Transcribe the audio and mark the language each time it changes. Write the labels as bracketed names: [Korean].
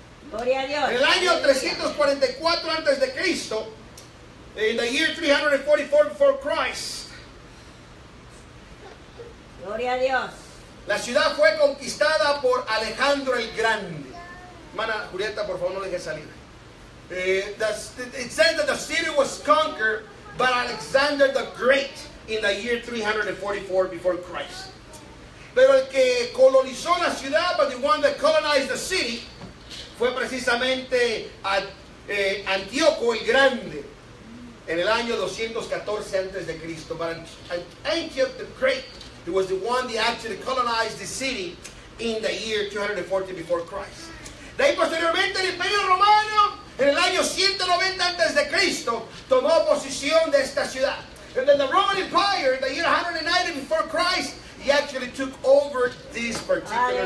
[Spanish] Gloria a Dios. En el año 344 antes de Cristo, [English] in the year 344 before Christ, [Spanish] gloria a Dios, la ciudad fue conquistada por Alejandro el Grande. Hermana Julieta, por favor, no deje salir. [English] It said that the city was conquered by Alexander the Great in the year 344 before Christ. [Spanish] Pero el que colonizó la ciudad, [English] but the one that colonized the city, [Spanish] fue precisamente Antíoco el Grande, en el año 214 antes de Cristo. [English] But Antioch the Great, it was the one that actually colonized the city in the year 240 before Christ. [Spanish] De ahí posteriormente el Imperio Romano, en el año 190 antes de Cristo, tomó posesión de esta ciudad. [English] And then the Roman Empire, in the year 190 before Christ, he actually took over this particular